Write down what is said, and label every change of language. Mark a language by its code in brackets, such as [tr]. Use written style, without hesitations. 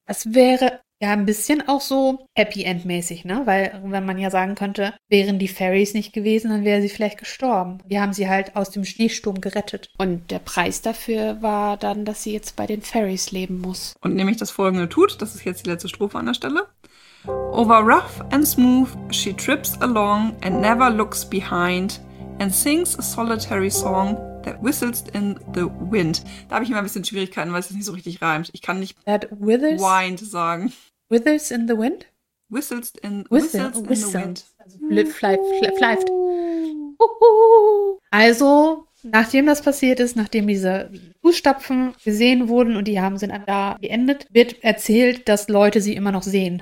[de] Es wäre ja ein bisschen auch so Happy End-mäßig, ne? Weil, wenn man ja sagen könnte, wären die Fairies nicht gewesen, dann wäre sie vielleicht gestorben. Die haben sie halt aus dem Schneesturm gerettet. Und der Preis dafür war dann, dass sie jetzt bei den Fairies leben muss. Und nämlich das folgende tut, das ist jetzt die letzte Strophe an der Stelle. [en] Over rough and smooth, she trips along and never looks behind and sings a solitary song that whistles in the wind. [de] Da habe ich immer ein bisschen Schwierigkeiten, weil es nicht so richtig reimt. Ich kann nicht [en] That [de] wind sagen. [en] withers in the wind? Whistles in the Whistle, wind. [de] whistles. Also fleift. Also, nachdem das passiert ist, nachdem diese Fußstapfen gesehen wurden und die haben sind dann da geendet, wird erzählt, dass Leute sie immer noch sehen.